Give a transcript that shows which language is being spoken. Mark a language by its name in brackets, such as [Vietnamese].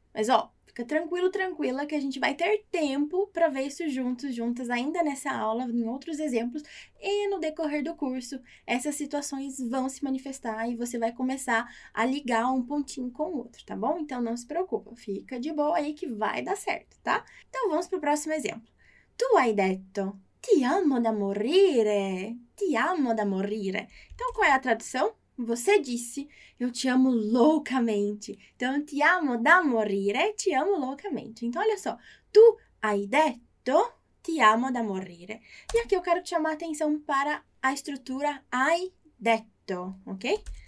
[Portuguese] Mas ó, fica tranquilo, tranquila, que a gente vai ter tempo para ver isso juntos, juntas ainda nessa aula, em outros exemplos, e no decorrer do curso, essas situações vão se manifestar e você vai começar a ligar um pontinho com o outro, tá bom? Então não se preocupa, fica de boa aí que vai dar certo, tá? Então vamos para o próximo exemplo. [Italian] Tu hai detto. Ti amo da morire, ti amo da morire. [Portuguese] Então, qual é a tradução? Você disse, eu te amo loucamente. Então, [Italian] ti amo da morire, [Portuguese] ti amo loucamente. Então, olha só, [Italian] tu hai detto, ti amo da morire. [Portuguese] E aqui eu quero te chamar a atenção para a estrutura hai detto, ok?